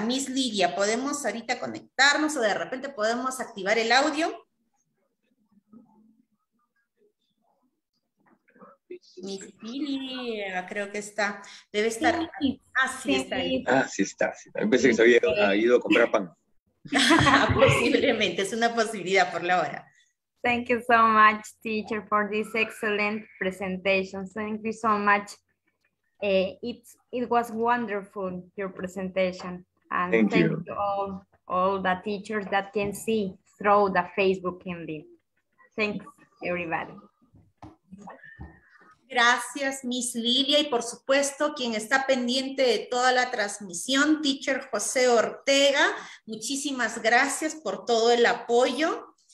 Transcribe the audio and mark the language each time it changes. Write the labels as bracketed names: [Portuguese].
[Spanish] Miss Lidia, ¿podemos ahorita conectarnos o de repente podemos activar el audio? Miss Lidia, creo que está. Debe estar. Sí, está. Ah, sí está. Pensé que se había ido a comprar pan. Posiblemente, es una posibilidad por la hora. [English] Thank you so much, teacher, for this excellent presentation. Thank you so much. It was wonderful, your presentation. And thank you to all the teachers that can see through the Facebook and the. Thanks, everybody. [Spanish] Gracias, Miss Lidia, y por supuesto, quien está pendiente de toda la transmisión, teacher José Ortega, muchísimas gracias por todo el apoyo.